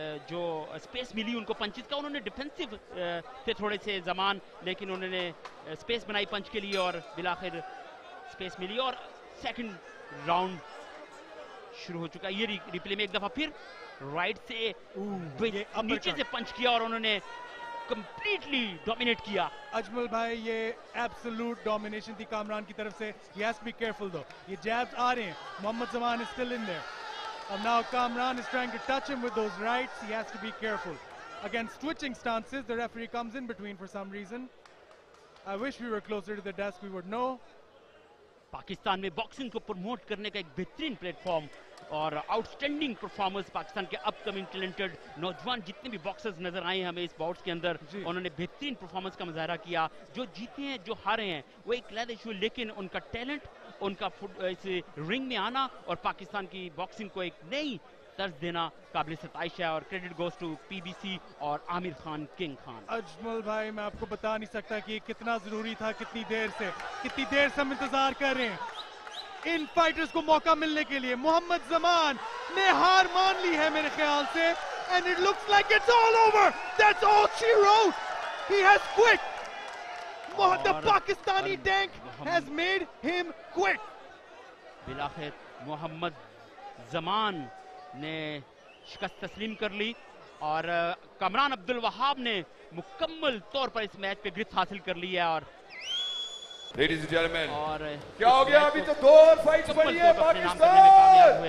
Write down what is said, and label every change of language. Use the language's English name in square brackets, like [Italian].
[Hindi] जो स्पेस मिली उनको पंचित का, उन्होंने डिफेंसिव थे थोड़े से जमान, लेकिन उन्होंने स्पेस बनाई पंच के लिए और बिलाखिर स्पेस मिली और सेकंड राउंड शुरू हो चुका है। ये रिप्ले में एक दफा फिर राइट से नीचे से पंच किया और उन्होंने कंप्लीटली डोमिनेट किया। अजमल भाई, ये एब्सोल्यूट डोमिनेशन थी कामरान की तरफ से। [English] he has be careful though, [Hindi] ये जैब्स आ रहे हैं। [English] Mohammad Zaman is still in there and now Kamran is trying to touch him with those rights. He has to be careful. Again, switching stances, the referee comes in between for some reason. I wish we were closer to the desk, we would know. [Hindi] Pakistan mein boxing ko promote karne ka ek behtareen platform aur outstanding performers Pakistan ke upcoming talented naujawan jitne bhi boxers nazar aaye hame is bouts ke andar, unhone behtareen performance ka mazahira kiya. Jo jeete hain jo haare hain wo ek alag issue, lekin unka talent, उनका foot इस ring में आना और पाकिस्तान की boxing को एक नई तर्ज देना काबिल सताइश है और [English] credit goes to PBC [Hindi] और आमिर खान, किंग खान। अजमल भाई, मैं आपको बता नहीं सकता कि कितना जरूरी था, कितनी देर से हम इंतजार कर रहे हैं इन फाइटर्स को मौका मिलने के लिए। मोहम्मद ज़मान ने हार मान ली है मेरे ख्याल से, [English] And it looks like it's all over, that's all she wrote, he has quit. The Pakistani tank has made him quit. [Hindi] बिलाखिर Mohammad ज़मान ने शिकस्त तस्लीम कर ली और कमरान अब्दुल वहाब ने मुकम्मल तौर पर इस मैच पे ग्रिप हासिल कर ली है। और [English] ladies and gentleman, [Hindi] और क्या हो गया, अभी तो दो और फाइट्स बनी है पाकिस्तान